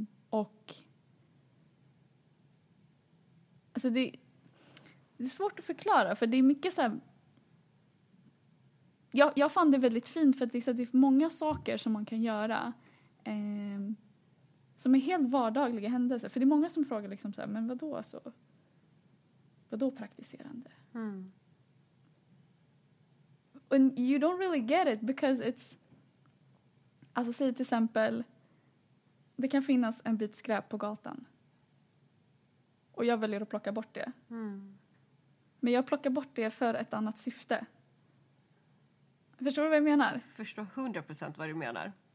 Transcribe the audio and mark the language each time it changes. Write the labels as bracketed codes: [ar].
[sv] Och alltså det är svårt att förklara, för det är mycket så här. Jag fann det väldigt fint, för att det är många saker som man kan göra som är helt vardagliga händelser. För det är många som frågar liksom så här, men vadå alltså? Vadå praktiserande? Mm. [en] And you don't really get it because it's... [sv] Alltså säg till exempel, det kan finnas en bit skräp på gatan. Och jag väljer att plocka bort det. Mm. Men jag plockar bort det för ett annat syfte. Förstår du vad jag menar? Förstår 100% vad du menar.